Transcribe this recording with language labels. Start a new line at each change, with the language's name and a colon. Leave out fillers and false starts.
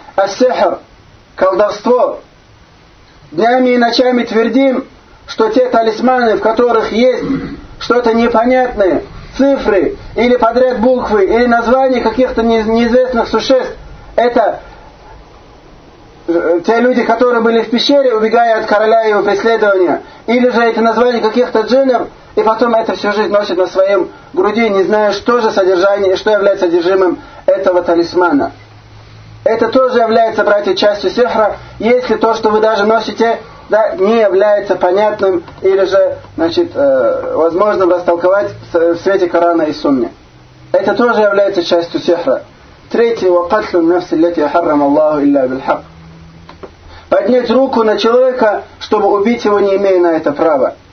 Russian: «Ас-сихр», колдовство. Днями и ночами твердим, что те талисманы, в которых есть что-то непонятное, цифры или подряд буквы, или названия каких-то неизвестных существ, это те люди, которые были в пещере, убегая от короля и его преследования, или же это название каких-то джиннов, и потом это всю жизнь носит на своем груди, не зная, что же содержание и что является содержимым этого талисмана. Это тоже является, братья, частью сихра, если то, что вы даже носите, да, не является понятным или же, значит, возможным растолковать в свете Корана и Сунны. Это тоже является частью сихра. Третье,
Arabic: وَقَتْلُ النَّفْسِ الَّتِي حَرَّمَ اللَّهُ إِلَّا بِالْحَقِّ.
Russian: Поднять руку на человека, чтобы убить его, не имея на это права.